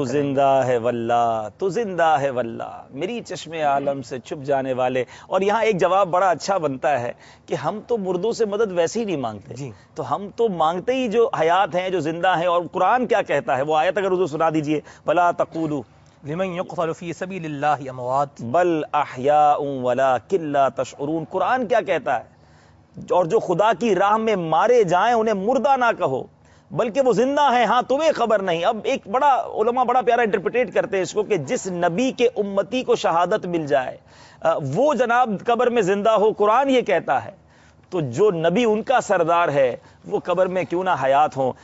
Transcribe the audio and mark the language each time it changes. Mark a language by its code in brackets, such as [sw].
[ur] تو زندہ ہے واللہ، تو زندہ ہے واللہ، میری چشم عالم سے چھپ جانے والے. اور یہاں ایک جواب بڑا اچھا بنتا ہے کہ ہم تو مردوں سے مدد ویسے ہی نہیں مانگتے جی، تو ہم تو مانگتے ہی جو حیات ہیں، جو زندہ ہیں. اور قرآن کیا کہتا ہے، وہ آیت اگر اردو سنا دیجئے، [ar] بلا تقولوا لمن يقتل في سبيل الله اموات بل احياء ولكن لا تشعرون. [ur] قرآن کیا کہتا ہے، اور جو خدا کی راہ میں مارے جائیں انہیں مردہ نہ کہو بلکہ وہ زندہ ہیں، ہاں تمہیں خبر نہیں. اب ایک بڑا علماء بڑا پیارا انٹرپریٹ کرتے ہیں اس کو کہ جس نبی کے امتی کو شہادت مل جائے وہ جناب قبر میں زندہ ہو، قرآن یہ کہتا ہے، تو جو نبی ان کا سردار ہے وہ قبر میں کیوں نہ حیات ہوں.